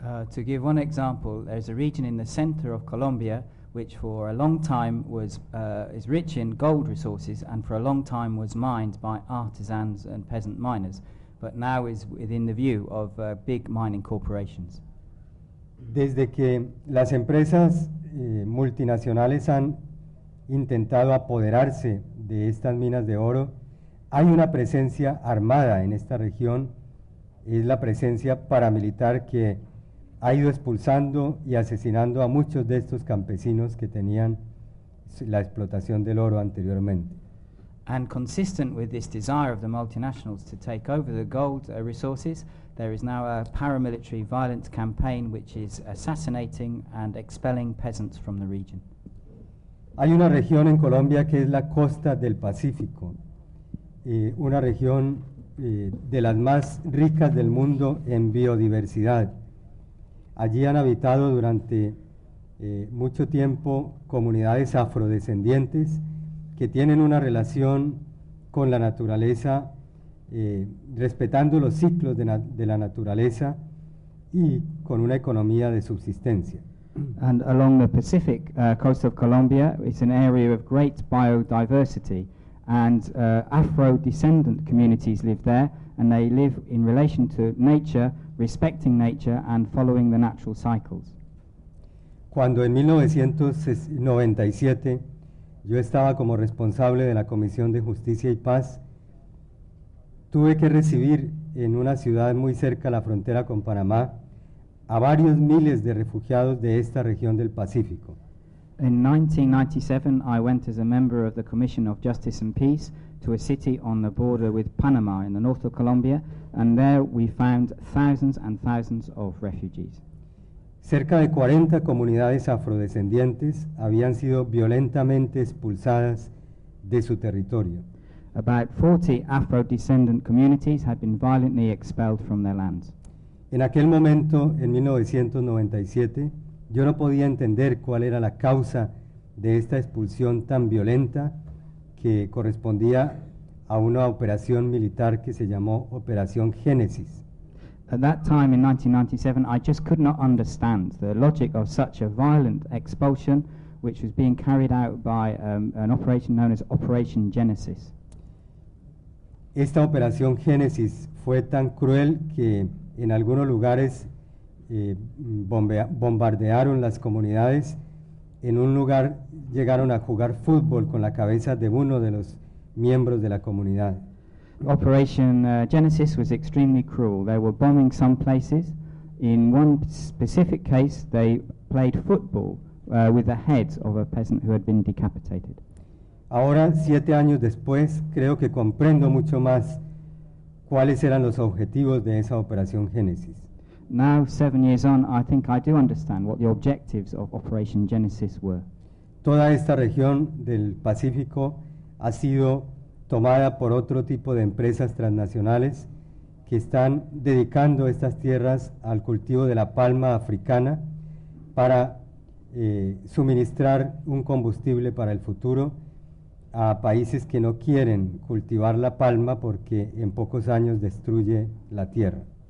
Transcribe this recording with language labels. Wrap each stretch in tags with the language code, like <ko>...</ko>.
<en>To give one example, there's a region in the center of Colombia which for a long time was is rich in gold resources and for a long time was mined by artisans and peasant miners, but now is within the view of big mining corporations.</en> <es>Desde que las empresas multinacionales han intentado apoderarse de estas minas de oro, hay una presencia armada en esta región, es la presencia paramilitar que ha ido expulsando y asesinando a muchos de estos campesinos que tenían la explotación del oro anteriormente.</es> <en>And consistent with this desire of the multinationals to take over the gold resources, there is now a paramilitary violent campaign which is assassinating and expelling peasants from the region.</en> <es>Hay una región en Colombia que es la costa del Pacífico, una región de las más ricas del mundo en biodiversidad. Allí han habitado durante mucho tiempo comunidades afrodescendientes que tienen una relación con la naturaleza, respetando los ciclos de la naturaleza y con una economía de subsistencia.</es> <en>And along the Pacific coast of Colombia is an area of great biodiversity, and Afro-descendant communities live there, and they live in relation to nature, respecting nature and following the natural cycles.</en> <es>Cuando en 1997 yo estaba como responsable de la Comisión de Justicia y Paz, tuve que recibir en una ciudad muy cerca a la frontera con Panamá a varios miles de refugiados de esta región del Pacífico.</es> <en>In 1997, I went as a member of the Commission of Justice and Peace to a city on the border with Panama in the north of Colombia, and there we found thousands and thousands of refugees.</en> <es>Cerca de 40 comunidades afrodescendientes habían sido violentamente expulsadas de su territorio.</es> <en>About 40 Afro-descendant communities had been violently expelled from their lands.</en> <es>En aquel momento, en 1997, yo no podía entender cuál era la causa de esta expulsión tan violenta que correspondía a una operación militar que se llamó Operación Génesis.</es> <en>At that time, in 1997, I just could not understand the logic of such a violent expulsion which was being carried out by an operation known as Operation Genesis.</en> <es>Esta Operación Génesis fue tan cruel que en algunos lugares bombardearon las comunidades. En un lugar llegaron a jugar fútbol con la cabeza de uno de los miembros de la comunidad.</es> <en>Operation Genesis was extremely cruel. They were bombing some places. In one specific case, they played football with the heads of a peasant who had been decapitated.</en> <es>Ahora, 7 años después, creo que comprendo mucho más cuáles eran los objetivos de esa Operación Génesis.</es> <en>Now, 7 years on, I think I do understand what the objectives of Operation Genesis were.</en> <es>Toda esta región del Pacífico ha sido tomada por otro tipo de empresas transnacionales que están dedicando estas tierras al cultivo de la palma africana para suministrar un combustible para el futuro a países que no quieren cultivar la palma porque en pocos años destruye la tierra.</es>